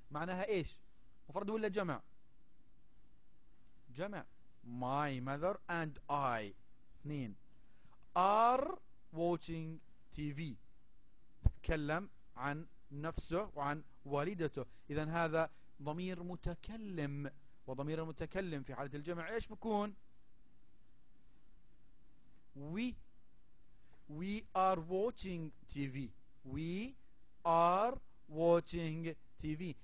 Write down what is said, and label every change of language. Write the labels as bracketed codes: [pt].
[ar] معناها إيش؟ مفرد ولا جمع؟ جمع. [en] My mother and I [ar] اثنين [en] are watching TV. [ar] تكلم عن نفسه وعن والدته. اذا هذا ضمير متكلم، وضمير المتكلم في حالة الجمع ايش بكون؟ [en] We are watching TV. We are watching TV.